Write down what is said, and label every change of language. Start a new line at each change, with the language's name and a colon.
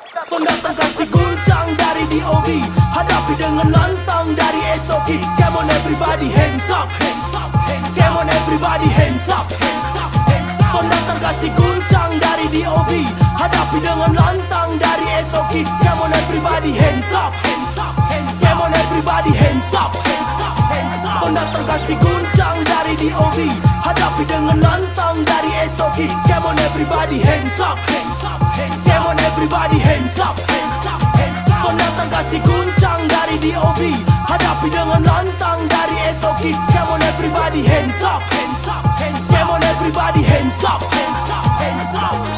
Indonesian: Tong datang kasih guncang dari D.O.B. Hadapi dengan lantang dari S.O.K.
English: Come on everybody, hands up, hands up, hands up. Come on everybody, hands up, hands up, hands up.
Indonesian: Tong datang kasih guncang dari D.O.B. Hadapi dengan lantang dari S.O.K.
English: Come on everybody, hands up, hands up, hands up. Come on everybody, hands up, hands up.
Indonesian: Kau datang kasih guncang dari D.O.B. Hadapi dengan lantang dari S.O.K.
English: Come on everybody, hands up, hands up, hands up. Come on everybody, hands up, hands up, hands up.
Indonesian: Datang datang kasih guncang dari D.O.B. Hadapi dengan lantang dari S.O.K.
English: Come on everybody hands up, hands up, hands up. Come on everybody hands up, hands up, hands up.